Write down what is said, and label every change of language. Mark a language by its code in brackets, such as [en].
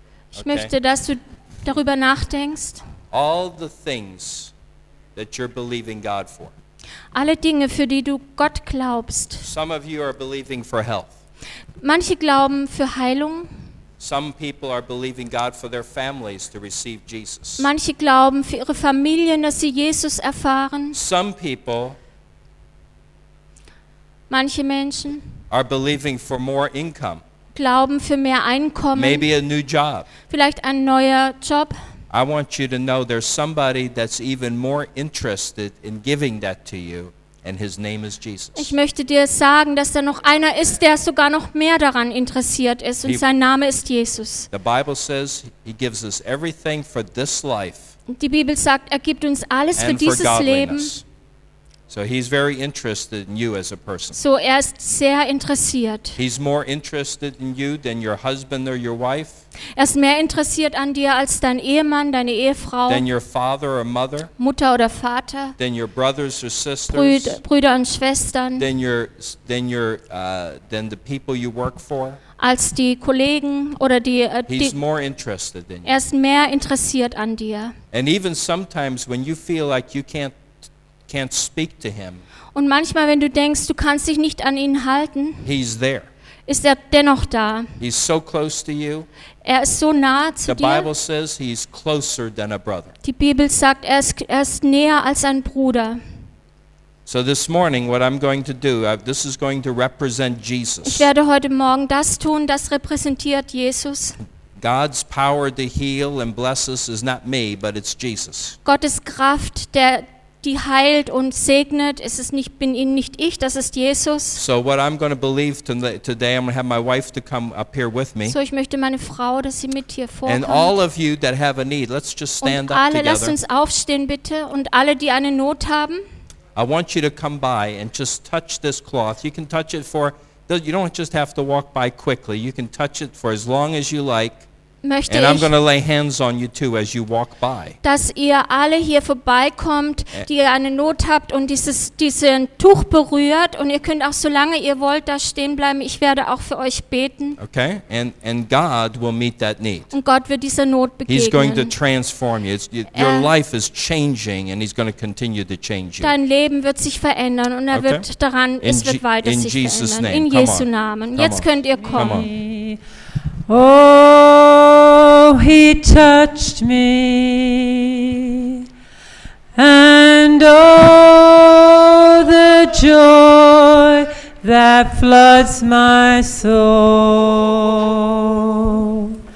[de] ich möchte, dass du darüber nachdenkst. [en] All the things that you're believing God for. [de] Alle Dinge, für die du Gott glaubst. [en] Some of you are believing for health. [de] Manche glauben für Heilung. [en] Some people are believing God for their families to receive Jesus. [de] Manche glauben für ihre Familien, dass sie Jesus erfahren. [en] Some people [de] manche Menschen [en] are believing for more income. [de] Glauben für mehr Einkommen. [en] Maybe a new job. [de] Vielleicht ein neuer Job. [en] I want you to know there's somebody that's even more interested in giving that to you, and his name is Jesus. [de] Ich möchte dir sagen, dass da noch einer ist, der sogar noch mehr daran interessiert ist, und sein Name ist Jesus. [en] The Bible says he gives us everything for this life. [de] Die Bibel sagt, er gibt uns alles für dieses Leben. [en] So he's very interested in you as a person. [de] So er ist sehr interessiert. [en] He's more interested in you than your husband or your wife. [de] Er ist mehr interessiert an dir als dein Ehemann, deine Ehefrau. [en] Than your father or mother. [de] Mutter oder Vater. [en] Than your brothers or sisters. [de] Brüder und Schwestern. [en] Than the people you work for. [de] Als die Kollegen oder die [en] he's more interested than you. [de] Er ist mehr interessiert an dir. [en] And even sometimes when you feel like you can't speak to him. [de] Und manchmal, wenn du denkst, du kannst dich nicht an ihn halten, [en] he's there. [de] Ist er dennoch da. [en] He's so close to you. [de] Er ist so nah zu [en] the [de] dir. [en] The Bible says he's closer than a brother. [de] Die Bibel sagt, er ist näher als ein Bruder. [en] So this morning, what I'm going to do, this is going to represent Jesus. [de] Ich werde heute Morgen das tun, das repräsentiert Jesus. [en] God's power to heal and bless us is not me, but it's Jesus. [de] Gottes Kraft, die heilt und segnet, es ist nicht, bin ihn nicht ich, das ist Jesus. [en] So what I'm going to believe today, I'm going to have my wife to come up here with me. [de] So ich möchte meine Frau, dass sie mit hier vorkommt. [en] And all of you that have a need, let's just stand up together. [de] Und alle, lasst uns aufstehen bitte, und alle, die eine Not haben. [en] I want you to come by and just touch this cloth. You can touch it for, you don't just have to walk by quickly. You can touch it for as long as you like. [de] Möchte [en] and I'm going to lay hands on you too as you walk by. [de] Dass ihr alle hier vorbeikommt, die eine Not habt und diesen Tuch berührt. Und ihr könnt auch, solange ihr wollt, da stehen bleiben. Ich werde auch für euch beten. [en] Okay, and God will meet that need. [de] Und Gott wird dieser Not begegnen. [en] He's going to transform you. Your life is changing and he's going to continue to change you. [de] Dein Leben wird sich verändern und er wird daran, es wird weiter sich [en] Jesus [de] verändern. [en] Name. [de] In Jesu Namen. Jetzt könnt ihr kommen. [en] Oh, he touched me, and oh, the joy that floods my soul.